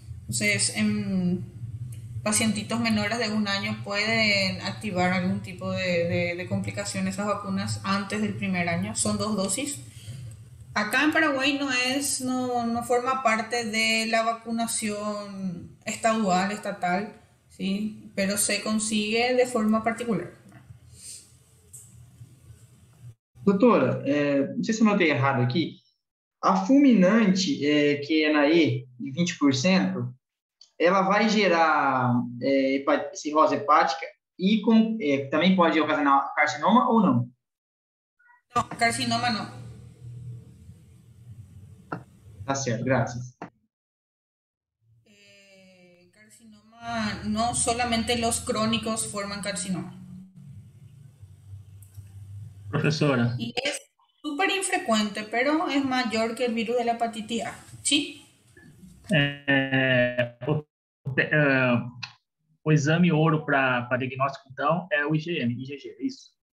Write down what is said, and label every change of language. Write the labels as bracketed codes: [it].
[es] Entonces, en pacientitos menores de 1 año pueden activar algún tipo de complicación esas vacunas antes del primer año. Son 2 dosis. Acá en Paraguay no forma parte de la vacunación estadual, estatal, ¿sí? Pero se consigue de forma particular. [pt] Doutora, não sei se eu notei errado aqui. A fulminante, que é na E, de 20%, ela vai gerar cirrose hepática e também pode ocasionar carcinoma ou não? [es] No, carcinoma no. [pt] Tá certo, graças. [es] Carcinoma, no solamente los crónicos forman carcinoma. Profesora. Y es súper infrecuente, pero es mayor que el virus de la hepatitis A, ¿sí? [pt] O exame ouro para diagnóstico, então, é o IgM, IgG, é isso?